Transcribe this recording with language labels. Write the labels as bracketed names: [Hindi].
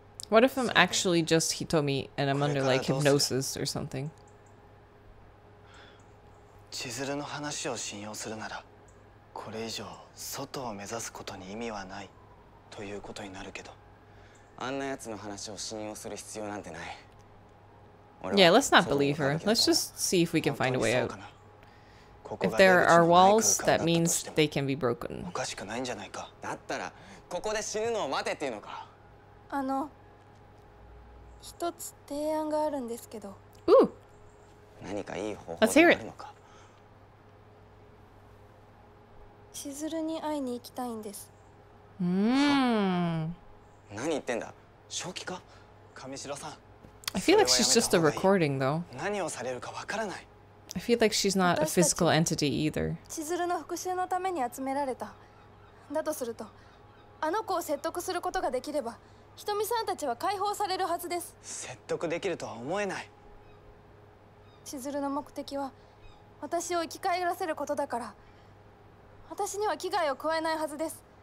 [English] What if I'm actually just Hitomi and I'm under like hypnosis or something? [Japanese] Chizuru の話を信用するなら、これ以上外を目指すことに意味はないということになるけど、あんな奴の話を信用する必要なんてない。 [English] Yeah, let's not believe her. Let's just see if we can find a way out. If there are walls, that means they can be broken. [Japanese] おかしくないんじゃないか。だったらここで死ぬのを待てっていうのか。あの。一つ提案があるんですけど。 Ooh. 何かいい方法があるのか。しずるに会いに行きたいんです。何言ってんだ。正気か。上白さん。 [English] I feel like she's just a recording, though. [Japanese] 何をされるかわからない。 [English] I feel like she's not a physical entity either. [Japanese] しずるの復讐のために集められた。だとすると、あの子を説得することができれば。ひとみさんたちは解放されるはずです。説得できるとは思えない。しずるの目的は私を生き返らせることだから、私には危害を加えないはずです。